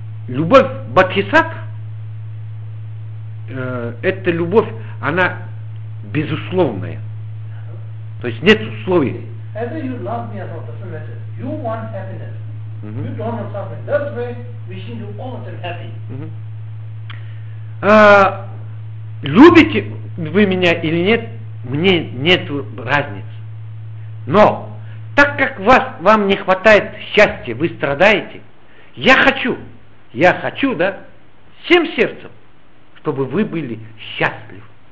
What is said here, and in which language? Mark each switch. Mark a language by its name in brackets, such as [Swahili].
[Russian] Любовь бодхисатв, это любовь, она безусловная. То есть нет условий. [English] Whether you love me or not, doesn't matter. You want happiness. You don't want suffering. That's why wishing you all of them happy. [Russian] Любите вы меня или нет, мне нет разницы. Но так как вам не хватает счастья, вы страдаете, я хочу, да, всем сердцем, чтобы вы были счастливы.